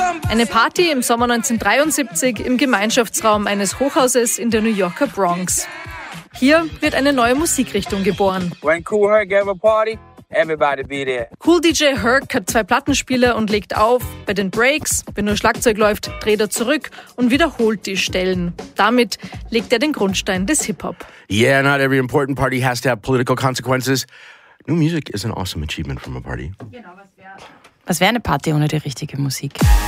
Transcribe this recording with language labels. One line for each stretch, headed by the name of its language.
German: Eine Party im Sommer 1973 im Gemeinschaftsraum eines Hochhauses in der New Yorker Bronx. Hier wird eine neue Musikrichtung geboren.
English: When Cool Herc gave a party, everybody be there.
German: Cool DJ Herc hat zwei Plattenspiele und legt auf. Bei den Breaks, wenn nur Schlagzeug läuft, dreht er zurück und wiederholt die Stellen. Damit legt er den Grundstein des Hip-Hop.
English: Yeah, not every important party has to have political consequences. New music is an awesome achievement from a party.
German: Was wäre eine Party ohne die richtige Musik?